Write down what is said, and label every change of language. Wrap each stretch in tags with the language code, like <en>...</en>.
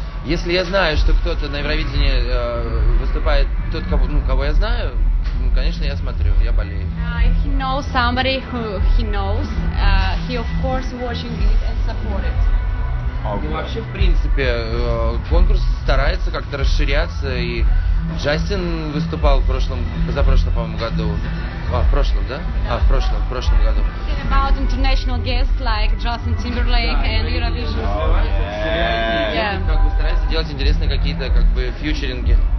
<ru>Если я знаю, что кто-то на Евровидении выступает, тот, кого я знаю, ну, конечно, я смотрю, я болею.</ru> <en>If he knows somebody who he knows, he of course watching it and supports. Okay.</en> <ru>Вообще, в принципе, конкурс старается как-то расширяться, и Джастин выступал в прошлом году.</ru> <en>About international guests like Justin Timberlake and Eurovision.</en> <ru>Как бы стараются делать интересные какие-то как бы фьючеринги.</ru>